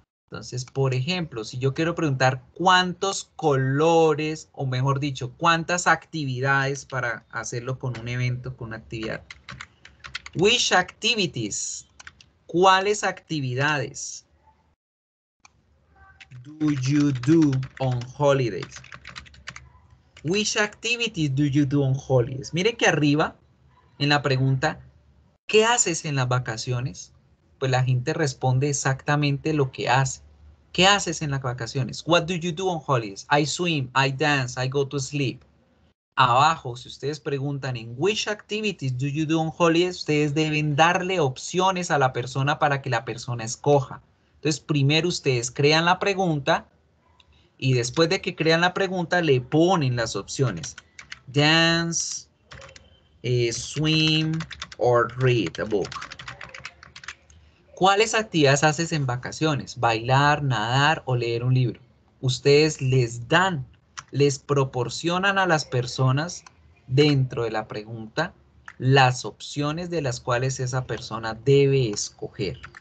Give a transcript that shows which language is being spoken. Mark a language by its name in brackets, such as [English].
[Spanish] Entonces, por ejemplo, si yo quiero preguntar cuántos colores, o mejor dicho, cuántas actividades para hacerlo con un evento, con una actividad. [English] Which activities? [Spanish] ¿Cuáles actividades [English] do you do on holidays? Which activities do you do on holidays? [Spanish] Miren que arriba, en la pregunta, ¿qué haces en las vacaciones? Pues la gente responde exactamente lo que hace. ¿Qué haces en las vacaciones? [English] What do you do on holidays? I swim, I dance, I go to sleep. [Spanish] Abajo, si ustedes preguntan en [English] which activities do you do on holidays, [Spanish] ustedes deben darle opciones a la persona para que la persona escoja. Entonces, primero ustedes crean la pregunta y después de que crean la pregunta, le ponen las opciones. [English] Dance, swim, or read a book. [Spanish] ¿Cuáles actividades haces en vacaciones? ¿Bailar, nadar o leer un libro? Ustedes les dan, les proporcionan a las personas dentro de la pregunta las opciones de las cuales esa persona debe escoger.